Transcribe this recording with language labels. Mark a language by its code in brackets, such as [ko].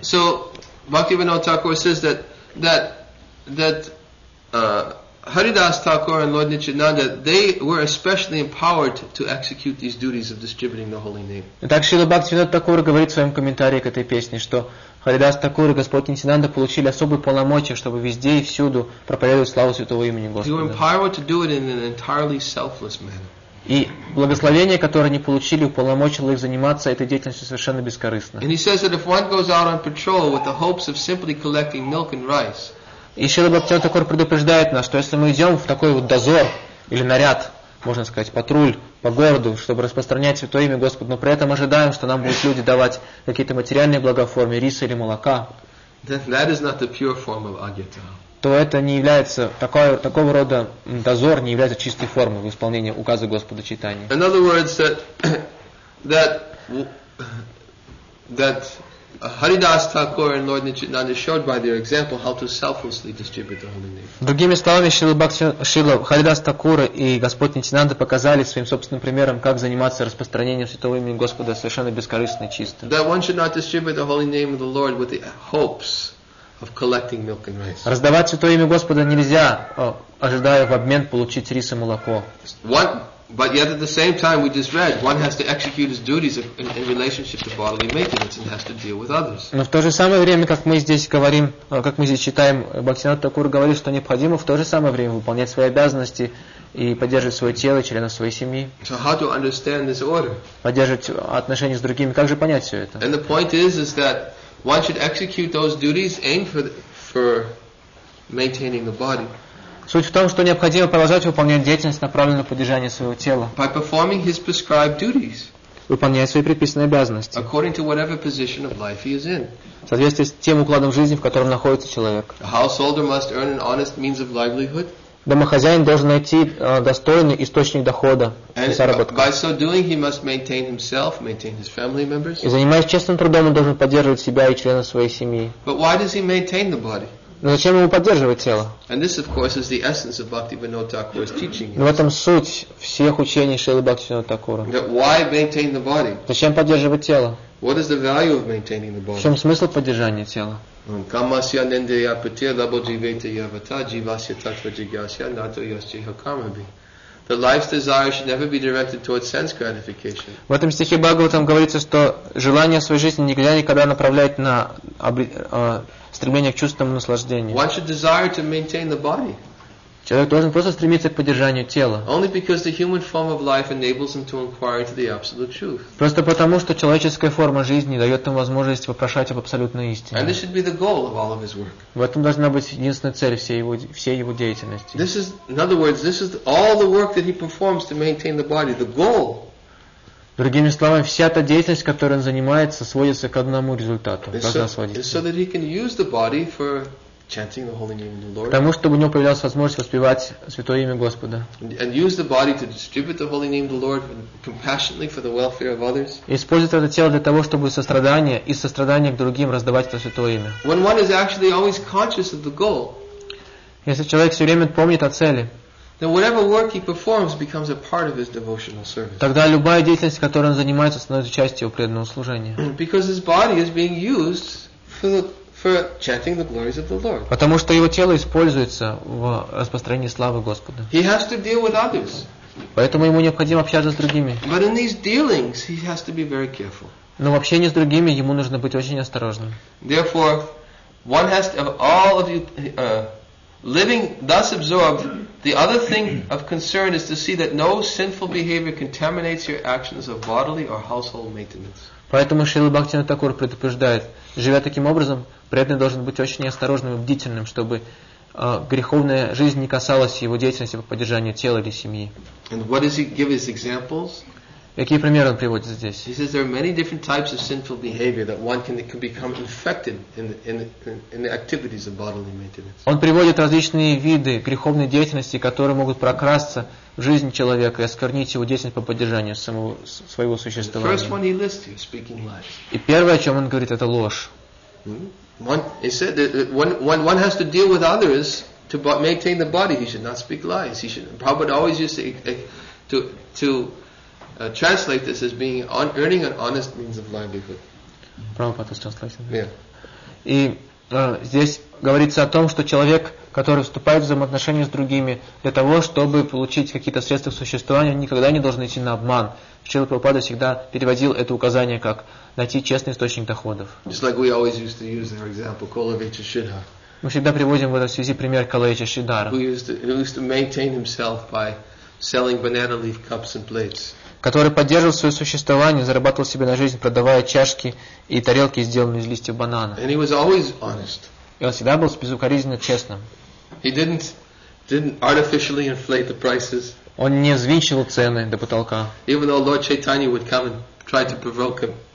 [en] So Bhaktivinoda Thakur says that Haridas Thakur and Lord Nityananda, they were especially empowered to execute these duties of distributing the holy name. [ru] Так Шрила Бхактивинод Такур говорит в своем комментарии к этой песне, что Харидас Такур и Господь Нитинанда получили особые полномочия, чтобы везде и всюду проповедовать славу святого имени Господа. [en] They were empowered to do it in an entirely selfless manner. [ru] И благословение, которое они получили, уполномочило их заниматься этой деятельностью совершенно бескорыстно. [en] And he says that if one goes out on patrol with the hopes of simply collecting milk and rice. [ru] И Шрила Бхактивинод Такур предупреждает нас, что если мы идем в такой вот дозор или наряд, можно сказать, патруль по городу, чтобы распространять святое имя Господа, но при этом ожидаем, что нам будут люди давать какие-то материальные блага в форме риса или молока. [en] That is not the pure form of agita. [ru] То это не является такого рода дозор, не является чистой формой в исполнении указа Господа Чайтаньи. [en] In other words, that Haridas Thakur and Lord Nityananda showed by their example how to selflessly distribute the holy name. [ru] Другими словами, Шрила Харидас Такур и Господь Нитинанда показали своим собственным примером, как заниматься распространением святого имени Господа совершенно бескорыстно и чисто. [en] That one should not distribute the holy name of the Lord with the hopes of collecting milk and rice. [ru] Раздавать святое имя Господа нельзя, ожидая в обмен получить рис и молоко. [en] What? But yet at the same time we just read, one has to execute his duties in relationship to bodily maintenance and has to deal with others. [ru] Но в то же самое время, как мы здесь говорим, как мы здесь читаем, Бхактивинод Такур говорит, что необходимо в то же самое время выполнять свои обязанности и поддерживать свое тело, членов своей семьи. [en] So how to understand this order? [ru] Поддерживать отношения с другими. Как же понять все это? [en] And the point is that one should execute those duties aimed for maintaining the body. [ru] Суть в том, что необходимо продолжать выполнять деятельность, направленную на поддержание своего тела. [en] By performing his prescribed duties. [ru] Выполняя свои предписанные обязанности. [en] According to whatever position of life he is in. [ru] В соответствии с тем укладом жизни, в котором находится человек. [en] A householder must earn an honest means of livelihood. [ru] Домохозяин должен найти достойный источник дохода и заработка. [en] By so doing, he must maintain himself, maintain his family members. [ru] И занимаясь честным трудом, он должен поддерживать себя и членов своей семьи. [en] But why does he maintain the body? [ru] Но зачем ему поддерживать тело? [en] And this, of course, is the essence of Bhaktivinoda Thakur's teaching. [ru] Но в этом суть всех учений Шрилы Бхактивинода Такура. [en] That why maintain the body? [ru] Зачем поддерживать тело? [en] What is the value of maintaining the body? [ru] В чем смысл поддержания тела? [sa] Камасья нендея пати лабодживете явата живасья татва джигасья нато ясчиха камаби. [en] The life's desire should never be directed towards sense gratification. [ru] В этом стихе Бхагаватам говорится, что желание своей жизни нельзя никогда направлять на стремление к чувственному наслаждению. [en] One should desire to maintain the body. [ru] Человек должен просто стремиться к поддержанию тела. [en] Only because the human form of life enables him to inquire into the absolute truth. [ru] Просто потому, что человеческая форма жизни дает ему возможность вопрошать об абсолютной истине. [en] And this should be the goal of all of his work. [ru] В этом должна быть единственная цель всей его деятельности. [en] This is, in other words, this is all the work that he performs to maintain the body. The goal. [ru] Другими словами, вся та деятельность, которой он занимается, сводится к одному результату. [en] So that he can use the body for chanting the holy name of the Lord. [ru] Потому что у него появлялась возможность воспевать святое имя Господа. [en] And use the body to distribute the holy name of the Lord compassionately for the welfare of others. [ru] Использовать это тело для того, чтобы сострадание и сострадание к другим раздавать это святое имя. [en] When one is actually always conscious of the goal. [ru] Если человек все время помнит о цели. [en] Then whatever work he performs becomes a part of his devotional service. [ru] Тогда любая деятельность, которой он занимается, становится частью его преданного служения. [en] Because his body is being used for chanting the glories of the Lord. [ru] Потому что его тело используется в распространении славы Господа. [en] He has to deal with others. [ru] Поэтому ему необходимо общаться с другими. [en] But in these dealings, he has to be very careful. [ru] Но в общении с другими ему нужно быть очень осторожным. [en] Therefore, one has to, all of you living thus absorbed. The other thing of concern is to see that no sinful behavior contaminates your actions of bodily or household maintenance. [ru] Поэтому Шрила Бхактивинода Тхакур предупреждает, живя таким образом, преданный должен быть очень осторожным и бдительным, чтобы греховная жизнь не касалась его деятельности по поддержанию тела или семьи. [en] And what does he give his examples? [ru] Какие примеры он приводит здесь? [en] He says there are many different types of sinful behavior that one can become infected in the activities of bodily maintenance. [ru] Он приводит различные виды греховной деятельности, которые могут прокрасться в жизнь человека и осквернить его деятельность по поддержанию самого своего существования. [en] The first one he lists here, speaking lies. [ru] И первое, о чем он говорит, это ложь. [en] One, he said that when one has to deal with others to maintain the body, he should not speak lies. He should. Prabhupada always used to translate this as being earning an honest means of livelihood. Prabhupada's translation. Yeah. [ru] И здесь говорится о том, что человек, который вступает в взаимоотношения с другими для того, чтобы получить какие-то средства к существованию, никогда не должен идти на обман. Шрила Прабхупада всегда переводил это указание как найти честный источник доходов. [en] Just like we always used to use our example, Kolavicha Shidhar. [ru] Мы всегда приводим в этой связи пример Калавича Шидара. [en] Who used to maintain himself by selling banana leaf cups and plates. [ru] Который поддерживал свое существование, зарабатывал себе на жизнь, продавая чашки и тарелки, сделанные из листьев банана. [en] And he was always honest. [ru] И он всегда был безукоризненно честным. [en] He didn't artificially inflate the prices. [ru] Он не взвинчивал цены до потолка. [en] Even though Lord Chaitanya would come and try to provoke him.